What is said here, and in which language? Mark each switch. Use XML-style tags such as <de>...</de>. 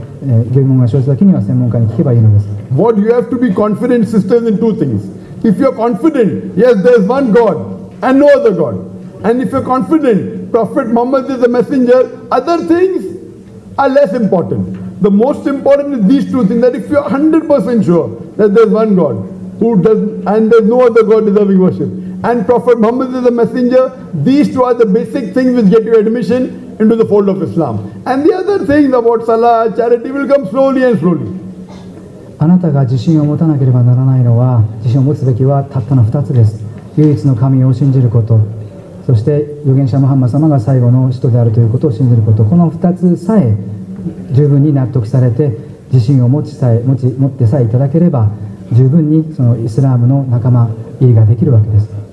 <ja>何か疑問が生じた時はイスラムのことを詳しく知る人に尋ねればよいのです。コランの中にももし何らがわからないことがあるならば、それをより良く知る専門家に尋ねればよいとありますように、何か疑問が生じた時には、例えば病気の時、医者に聞きませんか、一般の人に聞きますか、医者ですよねということで、疑問が生じた時には専門家に聞けばいいのです。What</ja> <en>you have to be confident in system in two things. If you're confident, yes, there's one God and no other God. And if you're confident, Prophet Muhammad is a messenger, other things are less important. The most important is these two things, that if you're 100% sure that there's one God who does, and there's no other God deserving worship, and Prophet Muhammad is a messenger, these two are the basic things which get you admission into the fold of Islam. And the other things about Salah, charity will come slowly and slowly.</en> <ja>あなたが自信を持たなければならないのは、自信を持つべきはたったの2つです。唯一の神を信じること、そして預言者ムハンマ様が最後の使徒であるということを信じること、この2つさえ十分に納得されて、自信を持ってさえいただければ、十分にそのイスラムの仲間入りができるわけです。</ja>